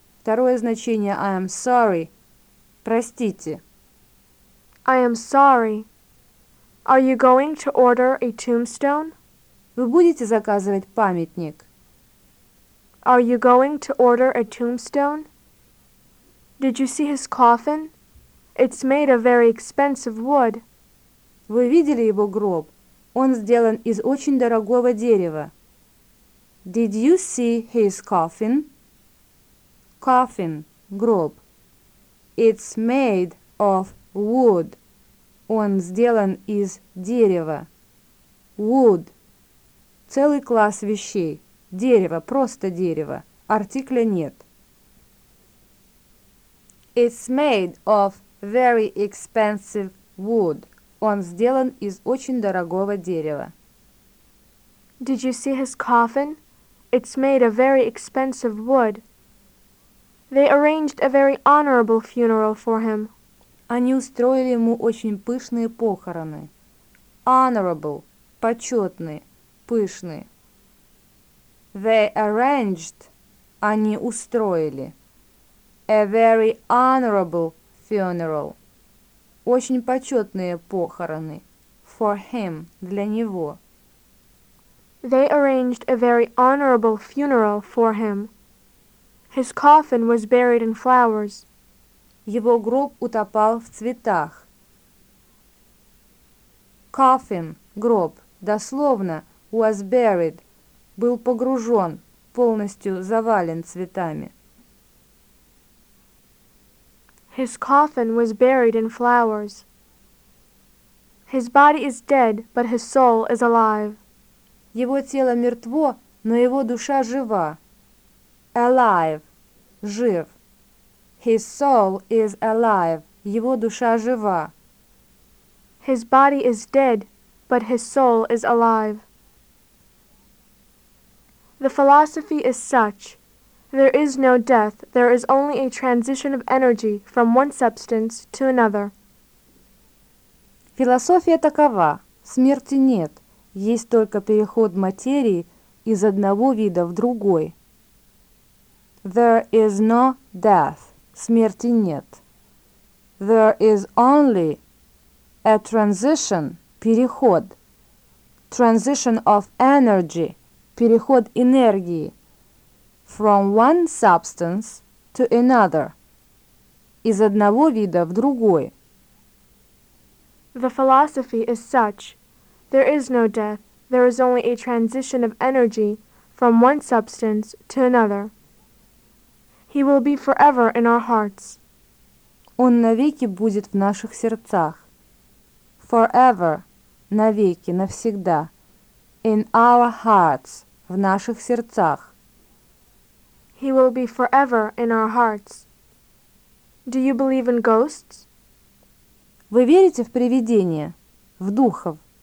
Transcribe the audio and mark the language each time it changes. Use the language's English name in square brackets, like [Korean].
[Russian] Второе значение [English] I am sorry. [Russian] Простите. [English] I am sorry. Are you going to order a tombstone? Вы будете заказывать памятник? Are you going to order a tombstone? Did you see his coffin? It's made of very expensive wood. [Russian] Вы видели его гроб? Он сделан из очень дорогого дерева. [English] Did you see his coffin? Coffin – [Russian] гроб. [English] It's made of wood. [Russian] Он сделан из дерева. Wood – целый класс вещей. Дерево, просто дерево. Артикля нет. [English] It's made of very expensive wood. [Russian] Он сделан из очень дорогого дерева. [English] Did you see his coffin? It's made of very expensive wood. They arranged a very honorable funeral for him. [Russian] Они устроили ему очень пышные похороны. Honorable – почетные, пышные. [English] They arranged – [Russian] они устроили. [English] A very honorable funeral – [Russian] очень почетные похороны. [English] For him – [Russian] для него. [English] They arranged a very honorable funeral for him. His coffin was buried in flowers. [Russian] Его гроб утопал в цветах. Coffin – гроб, дословно, [English] was buried, [Russian] был погружен, полностью завален цветами. [English] His coffin was buried in flowers. His body is dead, but his soul is alive. [Russian] Его тело мертво, но его душа жива. [English] Alive – [Russian] жив. [English] His soul is alive. [Russian] Его душа жива. [English] His body is dead, but his soul is alive. The philosophy is such. There is no death, there is only a transition of energy from one substance to another. [Russian] Философия такова. Смерти нет. Есть только переход материи из одного вида в другой. [English] There is no death. [Russian] Смерти нет. [English] There is only a transition. [Russian] Переход. [English] Transition of energy. [Russian] Переход энергии. [English] From one substance to another. [Russian] Из одного вида в другой. [English] The philosophy is such. There is no death. There is only a transition of energy from one substance to another. He will be forever in our hearts. [Russian] Он навеки будет в наших сердцах. [English] Forever, [Russian] навеки, навсегда. [English] In our hearts, [Russian] в наших сердцах. [English] He will be forever in our hearts. Do you believe in ghosts? [Russian] Вы верите в привидения, в духов?